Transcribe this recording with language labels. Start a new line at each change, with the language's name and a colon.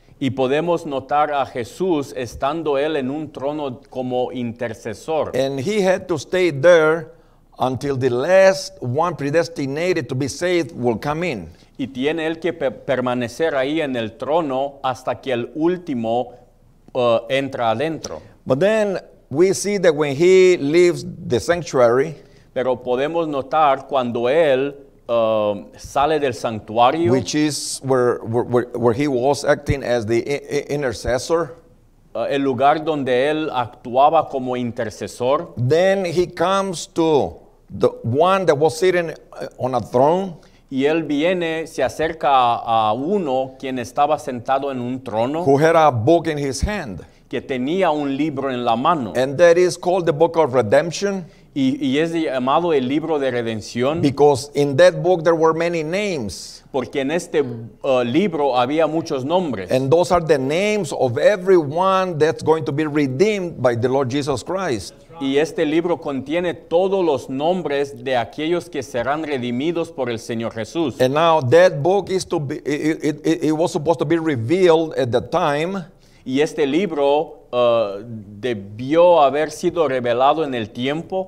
Spanish: Y podemos notar a Jesús estando él en un trono como intercesor.
English: And he had to stay there until the last one predestinated to be saved will come in.
Spanish: Y tiene él que permanecer ahí en el trono hasta que el último entra adentro.
English: But then we see that when he leaves the sanctuary,
Spanish: pero podemos notar cuando él sale del santuario,
English: which is where he was acting as the intercessor.
Spanish: El lugar donde él actuaba como intercesor.
English: Then he comes to the one that was sitting on a throne.
Spanish: Y él viene, se acerca a uno quien estaba sentado en un trono.
English: Who had a book in his hand.
Spanish: Que tenía un libro en la mano.
English: And that is called the Book of Redemption.
Spanish: Y es llamado el libro de redención.
English: Because in that book there were many names.
Spanish: Porque en este libro había muchos nombres.
English: And those are the names of everyone that's going to be redeemed by the Lord Jesus Christ.
Spanish: Y este libro contiene todos los nombres de aquellos que serán redimidos por el Señor Jesús.
English: And now that book is to be, it was supposed to be revealed at the time.
Spanish: Y este libro debió haber sido revelado en el tiempo.